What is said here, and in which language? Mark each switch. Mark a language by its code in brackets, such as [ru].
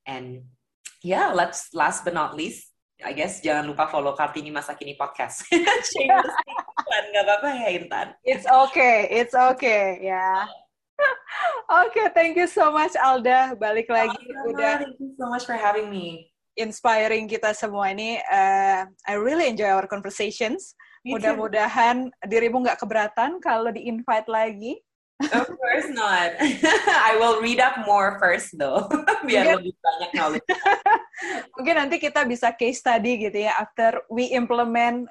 [en] And yeah, last but not least, I guess [id] jangan lupa [en] follow Kartini Masa Kini podcast. [id] Shameless, nggak apa-apa ya Intan. [en] It's okay, yeah. Okay, thank you so much Alda, [id] balik lagi. Oh, udah. [en] Thank you so much for having me. [id] Inspiring kita semua ini. [en] I really enjoy our conversations. [id] Me mudah-mudahan too. Dirimu gak keberatan kalau di-invite lagi. [en] Of course not. I will read up more first though, [id] biar lebih banyak [en] knowledge. [id] Mungkin nanti kita bisa case study gitu ya, [en] after we implement.